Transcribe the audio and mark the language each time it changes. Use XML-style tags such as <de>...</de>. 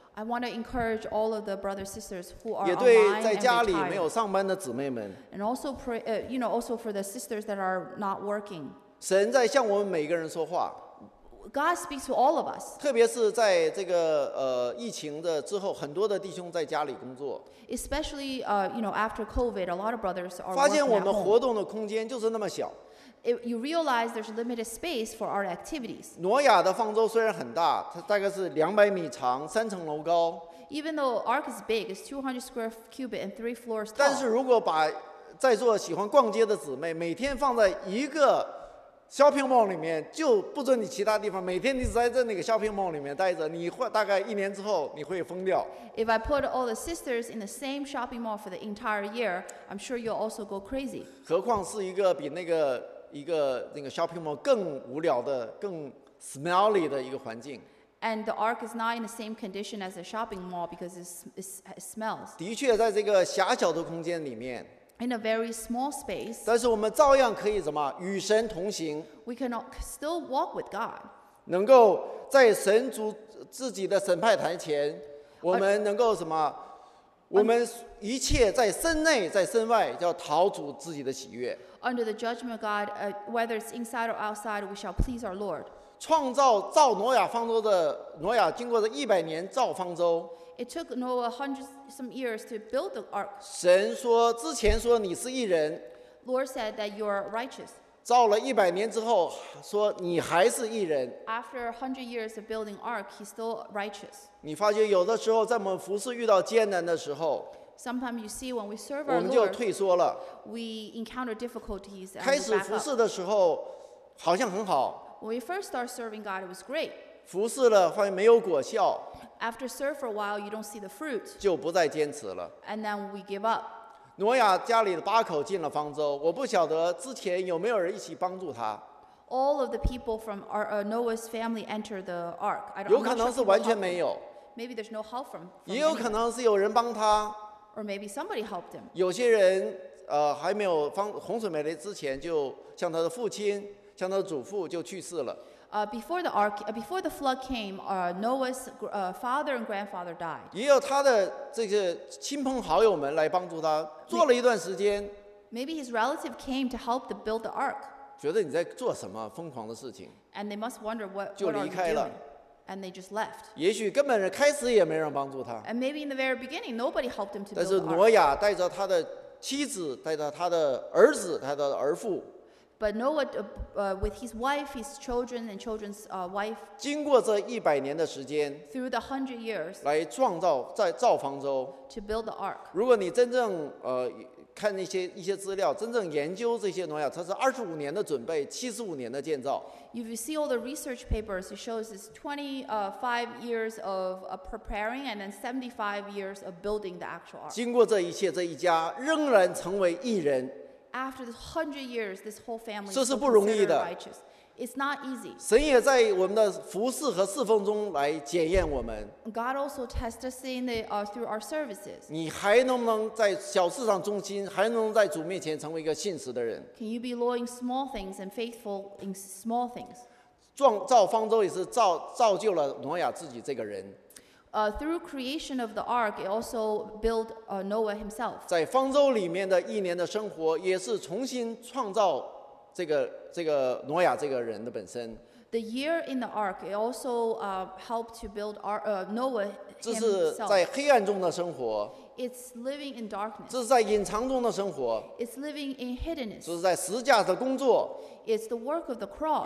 <en>I want to encourage all of the brothers and sisters who are online and</en> <zh>retired. 也对在家里没有上班的姊妹们。</zh> <en>And also also for the sisters that are not working.</en> <zh>神在向我们每个人说话。</zh> <en>God speaks to all of us.</en> <zh>特别是在这个疫情的之后，很多的弟兄在家里工作。</zh> <en>Especially, after COVID, a lot of brothers are working at</en> <zh>home. 发现我们活动的空间就是那么小。</zh> <en>You realize there's limited space for our activities.</en> <zh>挪亚的方舟虽然很大，它大概是200米长，三层楼高。</zh> <en>Even though ark is big, it's 200 square cubit and 3 floors tall.</en> <zh>但是如果把在座喜欢逛街的姊妹每天放在一个shopping mall 里面就不准你其他地方每天你只在这那个 shopping mall 里面待着你会大概一年之后你会疯掉</zh> <en>If I put all the sisters in the same shopping mall for the entire year I'm sure you'll also go crazy</en> <zh>何况是一个比那个 shopping mall 更无聊的更 smelly 的一个环境</zh> <en>And the ark is not in the same condition as the shopping mall because it smells</en> <zh>的确在这个狭小的空间里面</zh> <en>In a very small space,</en> <zh>但是我们照样可以什么与神同行</zh> <en>We can still walk with God.</en> <zh>能够在神主自己的审判台前，我们能够什么？我们一切在身内在身外，要讨主自己的喜悦。</zh> <en>Under the judgment of God, whether it's inside or outside, we shall please our Lord.</en> <zh>创造造挪亚方舟的挪亚，经过了一百年造方舟。</zh> <en>It took Noah hundreds some years to build the ark.</en> <zh>神说之前说你是义人。</zh> <en>Lord said that you are righteous.</en> <zh>造了一百年之后说你还是义人。</zh> <en>After 100 years of building ark, he's still righteous.</en> <zh>你发觉有的时候在我们服事遇到艰难的时候</zh> <en>，Sometimes you see when we serve our Lord,</en> <zh>我们就退缩了。</zh> <en>We encounter difficulties.</en> <zh>开始服事的时候好像很好。</zh> <en>When we first start serving God, it was great.</en> <zh>服事了发现没有果效。</zh> <en>After serve for a while, you don't see the fruit.</en> <zh>就不再坚持了。</zh> <en>And then we give up.</en> <zh>挪亚家里的八口进了方舟，我不晓得之前有没有人一起帮助他。</zh> <en>All of the people from our, Noah's family entered the ark.</en> <zh>有可能是完全没有。</zh> <en>Maybe there's no help from.</en> <zh>也有可能是有人帮他。</zh> <en>Or maybe somebody helped him.</en> <zh>有些人还没有洪水没来之前，就像他的父亲、像他的祖父就去世了。</zh> <en>Before the ark, before the flood came, Noah's father and grandfather died.</en> <zh>也有他的这个亲朋好友们来帮助他，做了一段时间。</zh> <en>Maybe his relative came to help to build the ark.</en> <zh>觉得你在做什么疯狂的事情？</zh> <en>And they must wonder what.</en> <zh>就离开了。</zh> <en>And they just left.</en> <zh>也许根本开始也没人帮助他。</zh> <en>And maybe in the very beginning, nobody helped him to build the ark.</en> <zh>但是挪亚带着他的妻子，带着他的儿子，他的儿父。</zh> <en>But Noah, with his wife, his children, and children's wife,</en> <zh>经过这一百年的时间</zh> <en>through the 100 years,</en> <zh>来创造在造方舟</zh> <en>to build the ark.</en> <zh>如果你真正看那些一些资料，真正研究这些挪亚，它是25年的准备，75年的建造。</zh> <en>If you see all the research papers, it shows it's 25 years of preparing and then 75 years of building the actual ark.</en> <zh>经过这一切，这一家仍然成为义人。</zh> <en>After this 100 years, this whole family</en> <zh>这是不容易的。</zh> <en>It's not easy.</en> <zh>神也在我们的服事和侍奉中来检验我们。</zh> <en>God also tests us in the through our services.</en> <zh>你还能不能在小事上忠心？还能在主面前成为一个信实的人</zh> <en>？Can you be loyal in small things and faithful in small things?</en> <zh>造方舟也是造就了挪亚自己这个人。</zh> <en>Through creation of the ark, it also built Noah himself.</en> <zh>在方舟里面的一年的生活，也是重新创造这个挪亚这个人的本身。</zh> <en>The year in the ark, it also helped to build Noah himself.</en> <zh>这是在黑暗中的生活。</zh> <en>It's living in darkness.</en> <zh>这是在隐藏中的生活。</zh> <en>It's living in hiddenness.</en> <zh>这是在十字架的工作。</zh> <en>It's the work of the cross.</en>